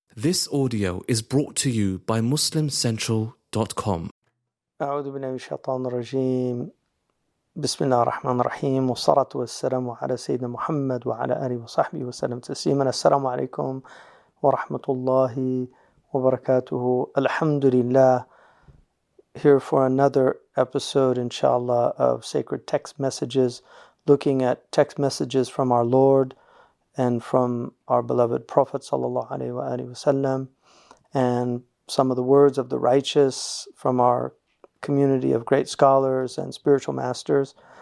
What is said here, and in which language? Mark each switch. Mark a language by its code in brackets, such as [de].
[en] This audio is brought to you by MuslimCentral.com. [ar] أعوذ بالله من الشيطان الرجيم. بسم الله الرحمن الرحيم والصلاة والسلام على سيدنا محمد وعلى آله وصحبه وسلم تسليما. السلام عليكم ورحمة الله وبركاته. الحمد لله. [en] Here for another episode, inshallah, of Sacred Text Messages, looking at text messages from our Lord and from our beloved Prophet sallallahu alaihi wasallam, and some of the words of the righteous from our community of great scholars and spiritual masters.